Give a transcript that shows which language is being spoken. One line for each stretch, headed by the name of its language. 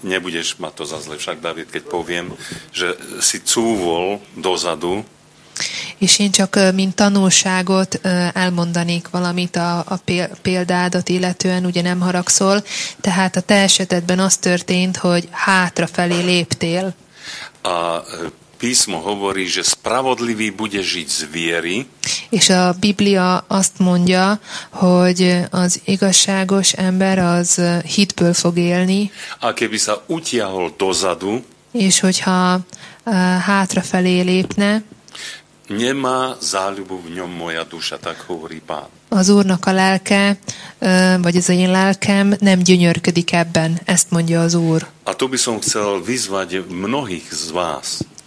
Slovak: Nebudeš mať to za zle, však Dávid, keď poviem, že si cúvol dozadu.
Hungarian: És én csak mint tanulságot elmondanék valamit a példádat illetően, ugye nem haragszol, tehát a te esetedben az történt, hogy hátrafelé léptél.
Slovak: A písmo hovorí, že spravodlivý bude žiť z viery.
Hungarian: És a Biblia azt mondja, hogy az igazságos ember az hitből fog élni.
Slovak: A keby sa utiahol dozadu.
Hungarian: És hogyha hátrafelé lépne.
Slovak: Nemá záľubu v ňom moja duša, tak hovorí Pán.
Hungarian: Az Úrnak a lelke, vagy az én lelkem nem gyönyörködik ebben, ezt mondja az Úr.
Slovak: A tu by som chcel vyzvať mnohých z vás.